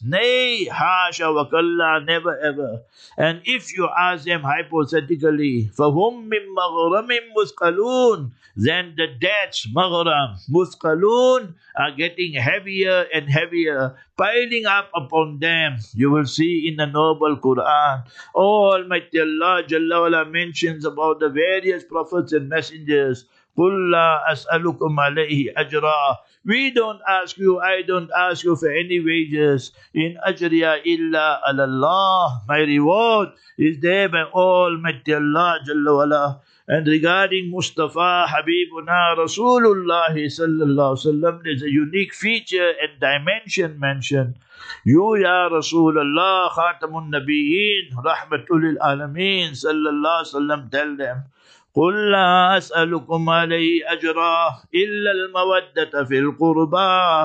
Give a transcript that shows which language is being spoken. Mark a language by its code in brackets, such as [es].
[en] Nay, hasha wa kalla, never ever. And if you ask them hypothetically, for whom min maghramin muthqalun, then the debts, maghram, muthqalun, are getting heavier and heavier, piling up upon them. You will see in the Noble Quran, Almighty Allah Jalla Wala mentions about the various prophets and messengers. [ar] قُلْ لَا أَسْأَلُكُمْ عَلَيْهِ أَجْرًا. [en] We don't ask you, I don't ask you for any wages. [ar] In أَجْرِيَ إِلَّا عَلَى اللَّهِ. [en] My reward is there by Almighty Allah Jalla Wala. And regarding Mustafa Habibuna Rasulullah Sallallahu Alaihi Wasallam, there's a unique feature and dimension mentioned. You, Ya Rasulullah, Khatamun Nabiyeen, Rahmatulil Alameen, Sallallahu Alaihi Wasallam, tell them, [ar] قُلْ لَا أَسْأَلُكُمْ عَلَيْهِ أَجْرًا إِلَّا الْمَوَدَّةَ فِي الْقُرْبَى.